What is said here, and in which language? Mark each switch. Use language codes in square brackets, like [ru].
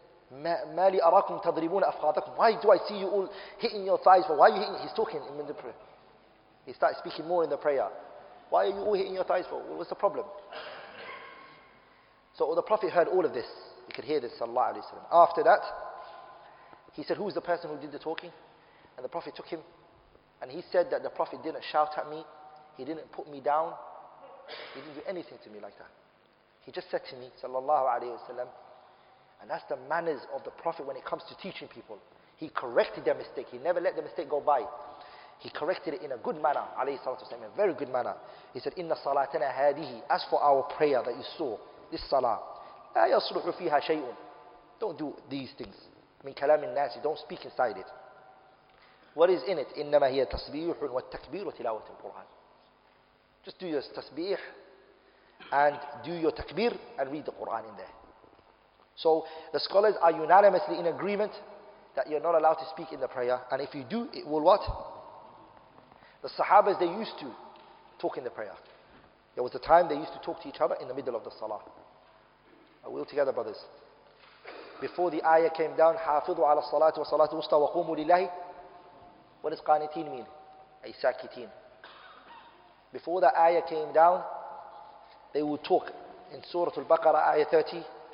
[ar] ما لي أراكم تضربون أفخاذكم. [en] Why do I see you all hitting your thighs? For why are you hitting? He's talking in the prayer. He starts speaking more in the prayer. Why are you all hitting your thighs? For what's the problem? So the Prophet heard all of this. He could hear this, sallallahu alaihi wasallam. After that, he said, "Who is the person who did the talking?" And the Prophet took him, and he said that the Prophet didn't shout at me, he didn't put me down, he didn't do anything to me like that. He just said to me, sallallahu alaihi wasallam. And that's the manners of the Prophet when it comes to teaching people. He corrected their mistake. He never let the mistake go by. He corrected it in a good manner, alayhi salatu wasalam, in a very good manner. He said, "Inna salatana hadihi." As for our prayer that you saw, this salah, [ar] لا يصلح فيها شيء. [en] Don't do these things. [ar] من كلام الناس. [en] Don't speak inside it. What is in it? [ar] إنما هي تسبيح والتكبير وتلاوة القرآن. [en] Just do your tasbih and do your takbir and read the Quran in there. So the scholars are unanimously in agreement that you're not allowed to speak in the prayer. And if you do, it will what? The Sahabas, they used to talk in the prayer. There was a time they used to talk to each other in the middle of the salah. Are we all together, brothers? Before the ayah came down, [ar] حافظوا على الصلاة والصلاة الوسطى وقوموا لله. [en] What does qanitin mean? A sakitin. Before the ayah came down, they would talk in Surah Al-Baqarah, ayah 30.